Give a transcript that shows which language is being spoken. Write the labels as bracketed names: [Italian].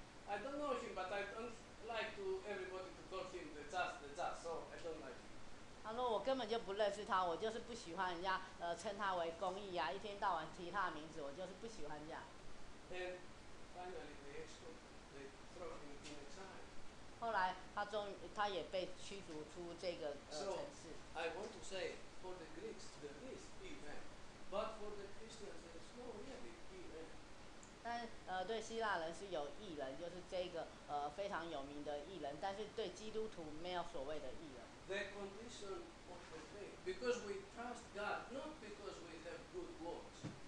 [English] I don't know him, but I don't like to everybody to call him the just, so I don't like him. [Chinese] 他说我根本就不认识他，我就是不喜欢人家称他为公义啊，一天到晚提他的名字，我就是不喜欢这样。 [English] And finally, they throw him in the exile. [Chinese] 后来他也被驱逐出这个城市。 [English] So I want to say, for the Greeks, there is even, but for the Christians, there is no really. [Chinese] 但对希腊人是有义人，就是这个非常有名的义人，但是对基督徒没有所谓的义人。 [English] The condition of the faith, because we trust God, not because we have good works.